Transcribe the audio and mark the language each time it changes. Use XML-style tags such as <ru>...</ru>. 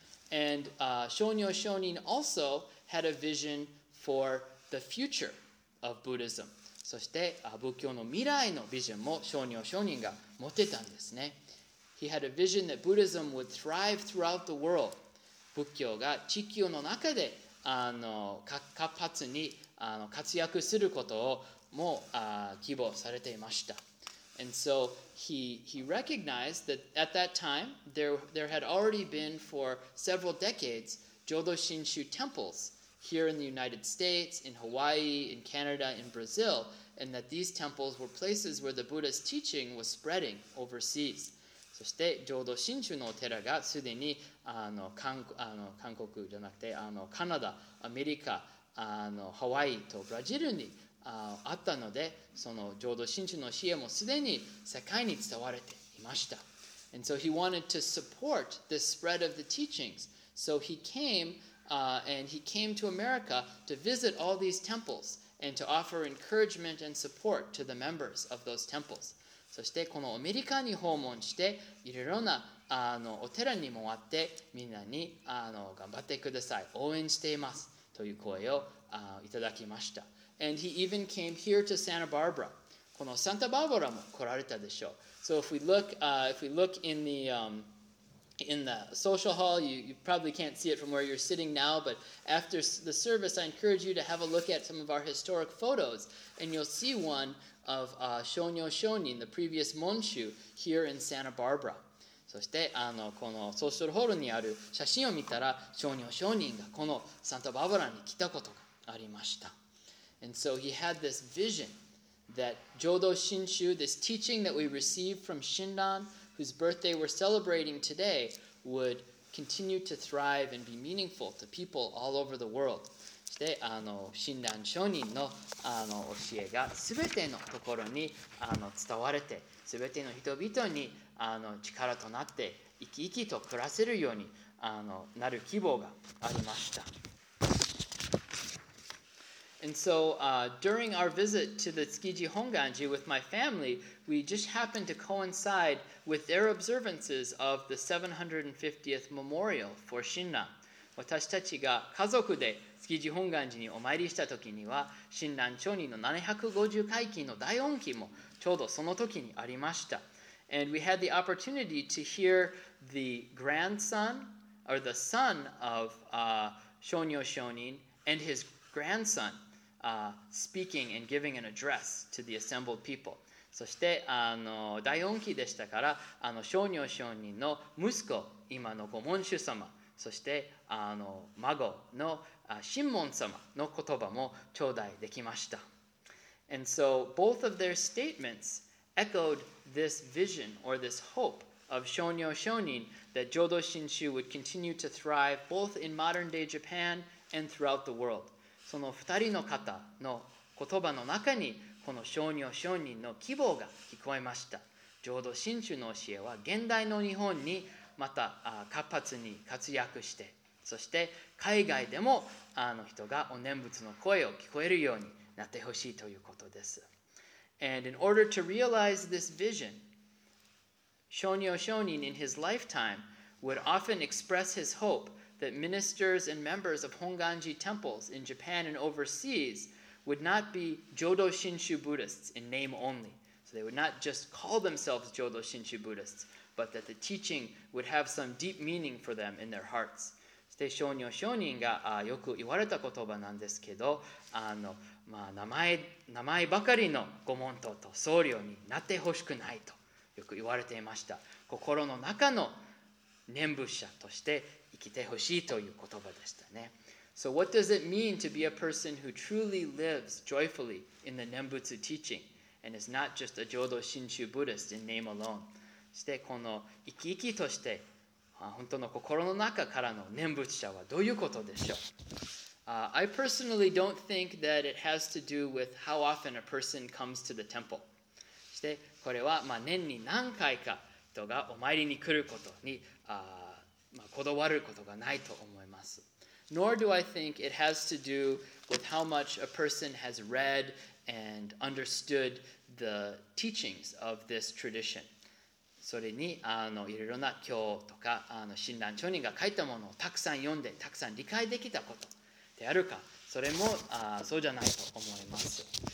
<en>And Shonyo Shonin also had a vision for the future of Buddhism.</en> <ja>そして仏教の未来のビジョンも Shonyo Shonin が持ってたんですね。</ja> <en>He had a vision that Buddhism would thrive throughout the world.</en> <ja>仏教が地球の中で活発に活躍することをも希望されていました。</ja> <en>And so he recognized that at that time there had already been for several decades Jodo Shinshu temples here in the United States, in Hawaii, in Canada, in Brazil, and that these temples were places where the Buddha's teaching was spreading overseas.</en> <ja>そして浄土真宗のお寺がすでにあの韓国じゃなくてあのカナダ、アメリカ、あのハワイとブラジルにあったので、その浄土真宗の教えもすでに世界に伝われていました。</ja> <en>And so he wanted to support the spread of the teachings. So he came, and he came to America to visit all these temples and to offer encouragement and support to the members of those temples.</en> <ja>そしてこのアメリカに訪問して、いろいろなあのお寺にも会って、みんなにあの頑張ってください、応援していますという声をあいただきました。</ja> <en>And he even came here to Santa Barbara.</en> <ja>このサンタバーバラも来られたでしょう。</ja> <en>So if we look, if we look in the,in the social hall, you probably can't see it from where you're sitting now, but after the service, I encourage you to have a look at some of our historic photos, and you'll see one of Shonyo Shonin, the previous Monshu, here in Santa Barbara.</en> <ja>そしてあのこのソーシャルホールにある写真を見たら、Shonyo Shonin がこのサンタバーバラに来たことがありました。</ja> <en>And so he had this vision that Jodo Shinshu, this teaching that we received from Shindan,whose birthday we're celebrating today, would continue to thrive and be meaningful to people all over the world.</en> <ja>そして、あの、親鸞聖人の、あの、教えが全てのところに、あの、伝われて、全ての人々に、あの、力となって、生き生きと暮らせるように、あの、なる希望がありました。</ja> <en>And so, during our visit to the Tsukiji Honganji with my family, we just happened to coincide with their observances of the 750th memorial for Shinran.</en> <ja>私たちが家族で Tsukiji Honganji にお参りした時には、Shinran Chōnin の750回忌の大恩期もちょうどその時にありました。</ja> <en>And we had the opportunity to hear the grandson, or the son of Shonyo Shonin, and his grandson, speaking and giving an address to the assembled people.</en> <ja>そしてあの大恩期でしたから、あの少女少人の息子、今のご門主様、そしてあの孫の新門様の言葉も頂戴できました。</ja> <en>And so both of their statements echoed this vision or this hope of 少女少人 that 浄土真宗 would continue to thrive both in modern day Japan and throughout the world.</en> <ja>その二人の方の言葉の中にこの少女少人の希望が聞こえました。浄土真宗の教えは現代の日本にまた活発に活躍して、そして海外でもあの人がお念仏の声を聞こえるようになってほしいということです。</ja> <en>And in order to realize this vision, 少女少人 in his lifetime would often express his hopeThat ministers and members of Honganji temples in Japan and overseas would not be Jodo Shinshu Buddhists in name only. So they would not just call themselves Jodo Shinshu Buddhists, but that the teaching would have some deep meaning for them in their hearts.</en> <ja>そして少女少人がよく言われた言葉なんですけど、あの、まあ、名前ばかりの御門徒と僧侶になってほしくないとよく言われていました。心の中の念仏者として生きてほしいという言葉でしたね。</ja> <en>So what does it mean to be a person who truly lives joyfully in the Nembutsu teaching and is not just a Jodo Shinshu Buddhist in name alone?</en> <ja>そしてこの生き生きとして本当の心の中からの念仏者はどういうことでしょう？</ja> <en>I personally don't think that it has to do with how often a person comes to the temple.</en> <ja>そしてこれはまあ年に何回か人がお参りに来ることにまあ、こだわることがないと思います。</ja> <en>Nor do I think it has to do with how much a person has read and understood the teachings of this tradition.</en> <ja>それにあのいろいろな経とかあの親鸞聖人が書いたものをたくさん読んでたくさん理解できたことであるか、それもそうじゃないと思います。</ja>